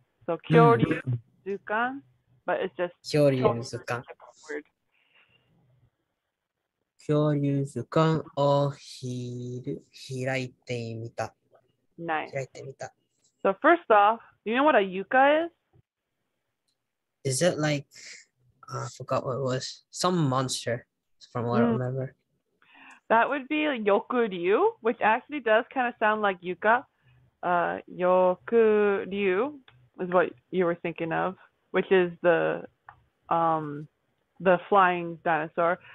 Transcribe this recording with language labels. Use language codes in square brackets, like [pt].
[en] So kyoryu, zukan, but it's just totally different word. [ja] 恐竜図鑑を開いてみた。 [en] Nice. [ja] 開いてみた。 [en] So first off, do you know what a yuka is? Is it like, I forgot what it was. Some monster, from what I remember. That would be yoku ryu, which actually does kind of sound like yuka. Yoku ryu is what you were thinking of, which is the flying dinosaur.